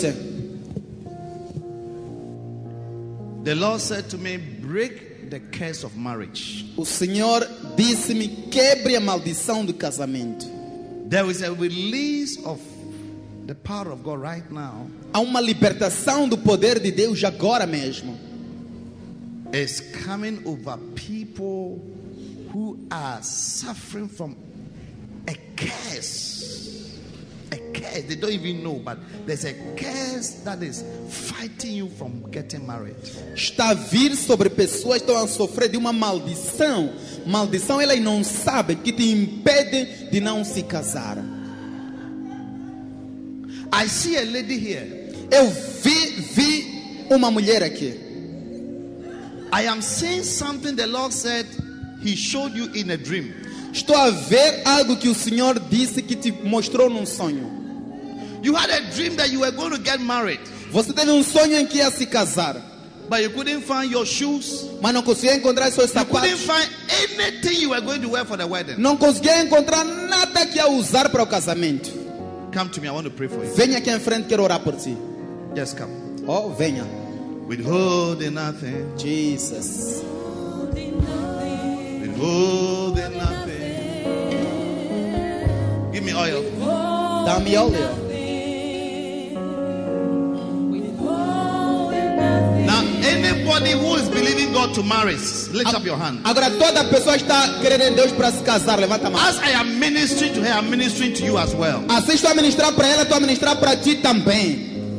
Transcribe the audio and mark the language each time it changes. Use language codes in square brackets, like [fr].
[en] The Lord said to me, break the curse of marriage. [pt] O Senhor disse-me, quebre a maldição do casamento. [en] There is a release of the power of God right now. [pt] Há uma libertação do poder de Deus agora mesmo. [en] It's coming over people who are suffering from a curse. They don't even know, but there's a curse that is fighting you from getting married. [pt] Está a vir sobre pessoas que estão a sofrer de uma maldição. Maldição, elas não sabem que te impede de não se casar. [en] I see a lady here. [pt] Eu vi uma mulher aqui. [en] I am seeing something the Lord said he showed you in a dream. [pt] Estou a ver algo que o Senhor disse que te mostrou num sonho. [en] You had a dream that you were going to get married. [pt] Você teve sonho em que ia se casar. [en] But you couldn't find your shoes. [pt] Mas não conseguia encontrar seus sapatos. [en] You couldn't find anything you were going to wear for the wedding. [pt] Não conseguia encontrar nada que ia usar para o casamento. [en] Come to me, I want to pray for you. [pt] Venha aqui em frente, quero orar por ti. [en] Yes, come. [pt] Oh, venha. [en] Withholding nothing. [pt] Jesus. [en] Withholding nothing. Give me oil. [pt] Dá-me óleo. [en] Anybody who is believing God to marry, lift up your hand. [pt] Agora toda pessoa está querendo em Deus para se casar, levanta a mão. [en] As I am ministering to her, I am ministering to you as well. [pt] Assim estou a ministrar para ela, estou a ministrar para ti também.